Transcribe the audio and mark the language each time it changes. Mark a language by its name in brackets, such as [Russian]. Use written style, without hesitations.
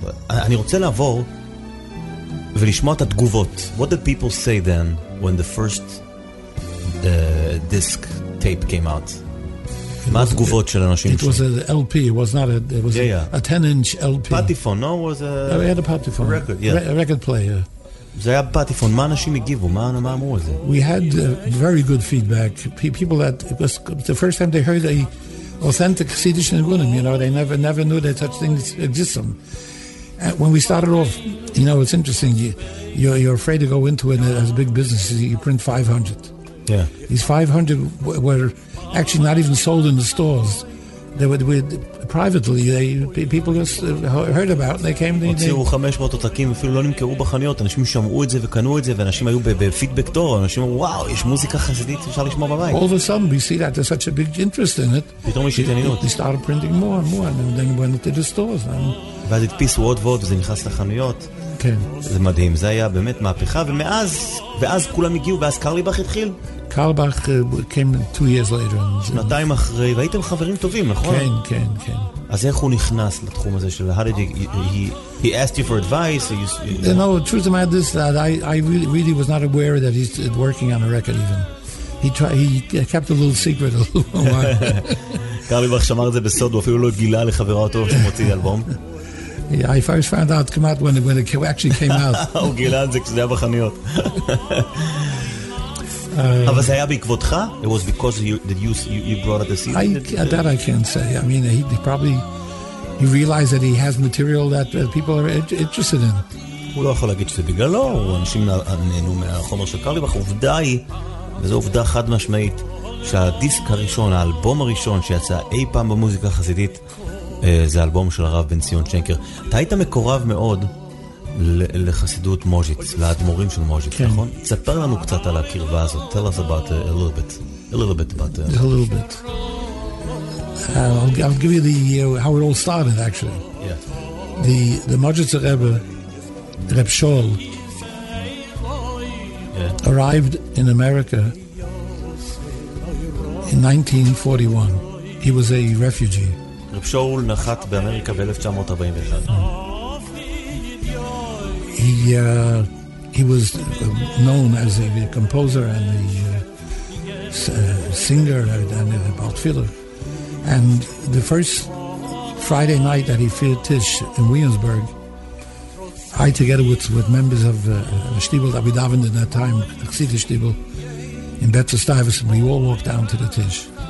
[Hebrew] אני רוצה לעבור ולשמוע את התגובות. [English] What did people say then when the first disc tape came out? [Hebrew] מה התגובות של אנשים? [English] It was an LP, it was not a, it was a 10-inch LP. Patiphone, no? Was a... I had a Patiphone. A record, yeah. A record player. [Hebrew] זה היה פטיפון, מה אנשים הגיבו, מה אמרו על זה? [English] We had very good feedback. People that, it was the first time they heard an authentic Chassidish Nigunim, you know, they never knew that such things existed. When we started off, you know, it's interesting, you're afraid to go into it as a big business, you print 500. Yeah. These 500 were actually not even sold in the stores. They would privately, they people just heard about and they came to [Hebrew] see 500 עותקים אפילו לא נמכרו בחנויות, אנשים שמעו את זה וקנו את זה, ואנשים היו בפידבק טוב, אנשים אמרו וואו, יש מוזיקה חסידית אפשר לשמוע בבית. [English] All of a sudden we see that there's such a big interest in it. [Hebrew] פתאום יש התעניינות. [English] They started printing more and more and then went to the stores and [Hebrew] ואז הדפיסו עוד ועוד וזה נכנס לחנויות. כן, זה מדהים, זה היה באמת מהפכה. ומאז, ואז כולם הגיעו, ואז קרליבך התחיל. [English] קרלבך came 2 years later. [Hebrew] שנתיים אחרי, והייתם חברים טובים, נכון? כן, כן, כן. אז איך הוא נכנס לתחום הזה של... [English] How did he asked you for advice? No, the truth about this, that I really was not aware that he's working on a record even. He kept a little secret a little while. [Hebrew] קרליבך שמר את זה בסוד, הוא אפילו לא גילה לחברה אותו שמוציא אלבום. [English] Yeah, I first found out come out when it actually came out. [Hebrew] הוא גילה את זה כשזה היה בחניות. אבל זה היה בעקבותך? [English] It was because you brought it to see that I can't say. I mean, he probably realized that he has material that people are interested in. [Hebrew] הוא לא יכול להגיד שזה בגללו, אנשים נהנו מהחומר של קרליבך. עובדה היא, וזו עובדה חד משמעית, שהדיסק הראשון, האלבום הראשון שיצא אי פעם במוזיקה החסידית, זה אלבום של הרב בן ציון שנקר. אתה היית מקורב מאוד לחסידות מוז'יץ, לאדמורים של מוז'יץ, כן. נכון? תספר לנו קצת על הקרבה הזאת. [English] Tell us about a little bit. A little bit about it. A little bit. I'll give you how it all started, actually. Yeah. The Moj'itz Rebbe, Reb Shol, yeah, arrived in America in 1941. He was a refugee. [Hebrew] Reb Shol נחת באמריקה ב-1941. [English] He was known as a composer and a singer and a Bart Filler. And the first Friday night that he filled Tish in Williamsburg, I together with members of the Shtibel that we davened in that time, the Chassidus Shtibel, in Betzer Stuyvesant, we all walked down to the Tish.